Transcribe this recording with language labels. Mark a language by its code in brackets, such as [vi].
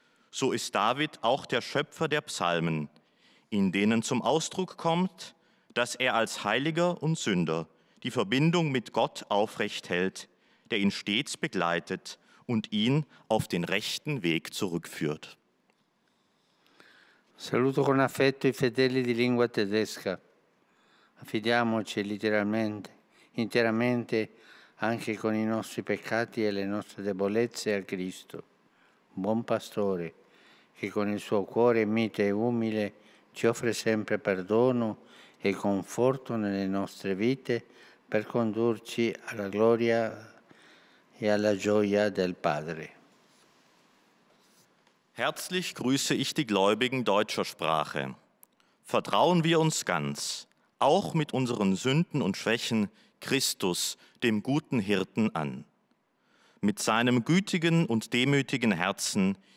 [de] So ist David auch der Schöpfer der Psalmen, in denen zum Ausdruck kommt, dass er als Heiliger und Sünder die Verbindung mit Gott aufrecht hält, der ihn stets begleitet und ihn auf den rechten Weg zurückführt. [it] Saluto con affetto i fedeli di lingua tedesca. Affidiamoci letteralmente, interamente, anche con i nostri peccati e le nostre debolezze a Cristo, buon pastore, che con il suo cuore mite e umile ci offre sempre perdono e conforto nelle nostre vite per condurci alla gloria e alla gioia del Padre. [de] Herzlich grüße ich die Gläubigen deutscher Sprache. Vertrauen wir uns ganz, auch mit unseren Sünden und Schwächen, Christus, dem guten Hirten, an. Mit seinem gütigen und demütigen Herzen